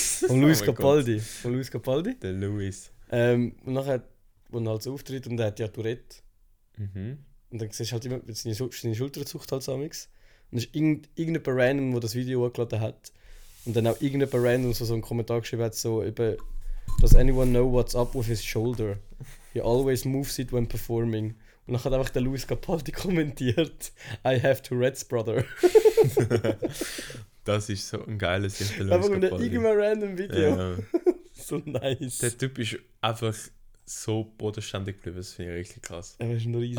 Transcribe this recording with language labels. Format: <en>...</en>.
<de>Von Luis Capaldi. Von Luis Capaldi? Der Luis. Und nachher, wo er halt so auftritt und er hat ja Tourette. Mhm. Und dann siehst du halt immer seine Schulterzucht halt so amigs. Und es ist irgendjemand random, der das Video hochgeladen hat. Und dann auch irgendjemand random, so einen Kommentar geschrieben hat, so eben.</de> <en>Does anyone know what's up with his shoulder? He always moves it when performing.</en> <de>Und dann hat einfach der Luis Capaldi kommentiert:</de> <en>I have Tourette's brother.</en> <de>Das ist so ein geiles Ding. Einfach in einem irgendwann random Video. Ja. So nice. Der Typ ist einfach so bodenständig geblieben, das finde ich richtig krass. Er ist ein riesiger.</de>